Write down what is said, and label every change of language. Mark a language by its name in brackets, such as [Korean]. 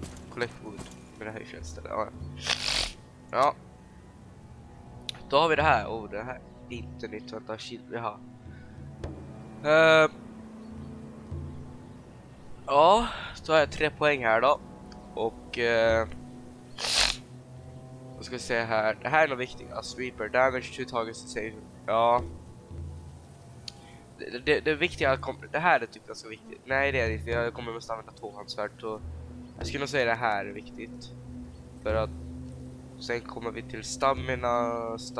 [English] Collect wood. [Swedish] Men det här känns det där. Ja. Då har vi det här. Oh, det här är inte nytt. Vänta, shit, vi har. Ja, då har jag 3 poäng här då. Och vad ska vi se här. Det här är nog viktigt. [English] Ja, sweeper damage to targets and save. [Swedish] Ja. Det viktiga att det här är typ ganska viktigt. Nej, det är det inte. Jag kommer att använda tvåhandsvärd. Så jag skulle nog säga det här är viktigt. För att sen kommer vi till stamina.